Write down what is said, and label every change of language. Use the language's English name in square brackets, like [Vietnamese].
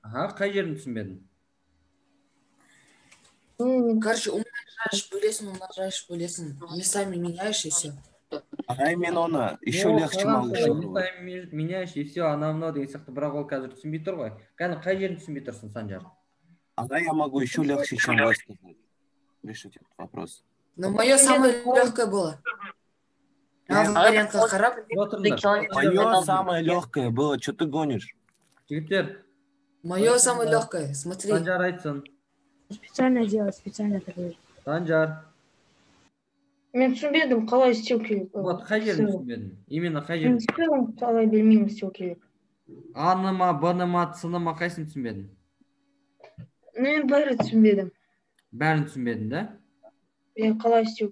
[Kazakh] Аха, қай жерін түсінбедің? [Russian] Короче, умножаешь, [Kazakh] бөлесің. [Russian] Местами меняешь и все. [Kazakh] Ай, мен оны [Russian] еще легче могу [Kazakh] шығаруға. [Russian] Местами меняешь и все, [Kazakh] ана мынау деген сияқты, бірақ ол қазір түсінбей тұр ғой. Қане, қай жерін түсінбей тұрсың, Санжар? [Russian] Ага, я могу еще легче, чем вас. Решите этот вопрос. Но мое самое легкое было. Мое самое легкое было, что ты гонишь? Мое самое легкое, смотри. [Kazakh] Санжар айтсын. [Russian] Специально делать, специально такое. Санжар. [Kazakh] Мен түсінбедім, қалай істеу керек. Вот, қай жерін түсінбедің? [Russian] Именно [Kazakh] қай жерін? Мен түсінбедім, қалай білмеймін істеу керек. Аны ма, бұны ма, цыны ма, қайсын түсінбедің? Мен бәрін түсінбедім. Бәрін түсінбедің, да? Мен қалай істеу